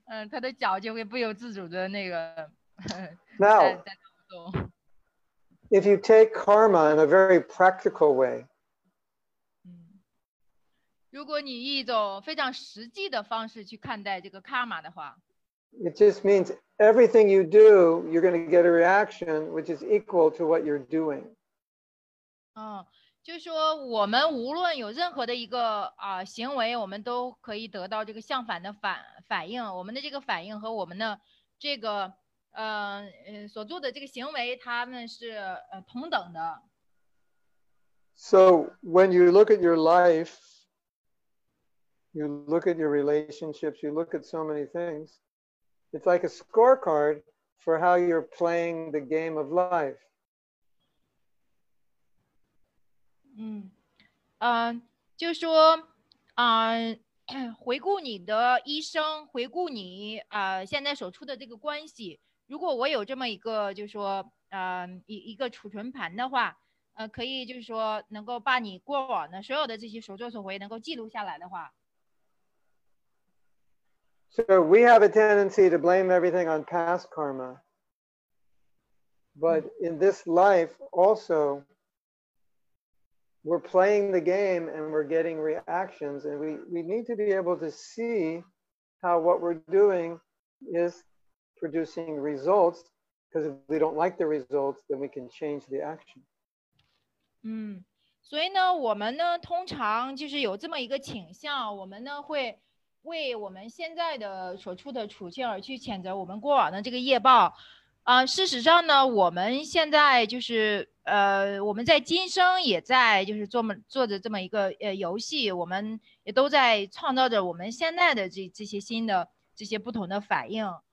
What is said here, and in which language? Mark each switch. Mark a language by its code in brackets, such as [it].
[zh] 他的脚就会不由自主的那个。 [en] Now, if you take karma in a very practical way, [zh] 如果你一种非常实际的方式去看待这个 karma 的话， [en] it just means everything you do, you're going to get a reaction which is equal to what you're doing. [zh] 就是说我们无论有任何的一个行为我们都可以得到这个相反的反应我们的这个反应和我们的这个所做的这个行为他们是同等的。 [en] So when you look at your life, you look at your relationships, you look at so many things, it's like a scorecard for how you're playing the game of life. [zh] 就说回顾你的一生回顾你现在所处的这个关系如果我有这么一个就说一个储存盘的话可以就是说能够把你过往的所有的这些所作所为能够记录下来的话。 [en] So we have a tendency to blame everything on past karma. But in this life also, we're playing the game and we're getting reactions, and we need to be able to see how what we're doing is producing results, because if we don't like the results, then we can change the action. [zh] 所以呢，我们呢通常就是有这么一个倾向，我们呢会为我们现在的所处的处境而去谴责我们过往的这个业报。事实上呢，我们现在就是我们在今生也在就是做着这么一个游戏，我们也都在创造着我们现在的这些新的这些不同的反应。